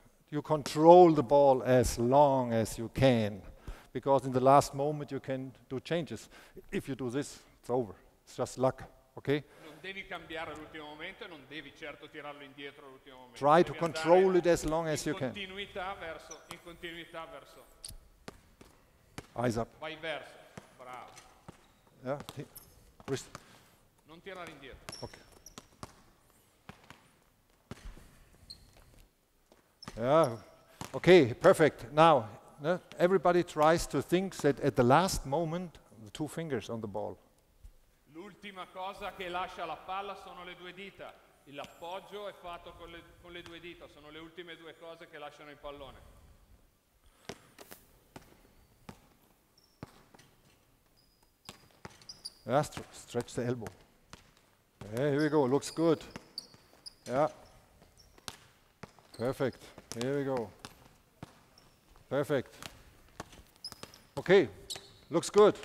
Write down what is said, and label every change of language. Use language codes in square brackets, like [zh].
[en] You control the ball as long as you can, because in the last moment you can do changes. If you do this, it's over. It's just luck. Okay. [it] Devi cambiare all'ultimo momento e non devi certo tirarlo indietro all'ultimo momento. [en] Try [it] devi [en] to control it as long as you can. [it] In continuità verso. [en] Eyes up. [it] Vai verso. Bravo. [en] Yeah. Wrist. [it] Non tirare indietro. [en] Okay. Yeah. Okay, perfect. Now, everybody tries to think that at the last moment, the two fingers on the ball. [it] L'ultima cosa che lascia la palla sono le due dita. L'appoggio è fatto con le due dita. Sono le ultime due cose che lasciano il pallone. [en] Yeah, stretch the elbow. Hey, here we go. Looks good. Yeah. Perfect. Here we go. Perfect. Okay. Looks good.